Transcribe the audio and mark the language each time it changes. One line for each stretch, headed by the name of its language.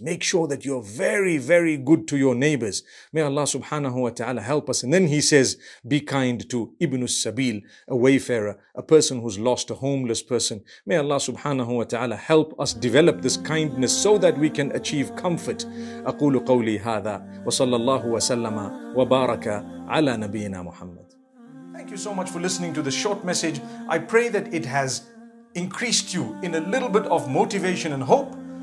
English: Make sure that you're very, very good to your neighbors. May Allah subhanahu wa ta'ala help us. And then He says, be kind to Ibn al-Sabil, a wayfarer, a person who's lost, a homeless person. May Allah subhanahu wa ta'ala help us develop this kindness so that we can achieve comfort.
Arabic: أقول قولي هذا وصلى الله وسلم وبارك على نبينا محمد.
English: Thank you so much for listening to this short message. I pray that it has increased you in a little bit of motivation and hope.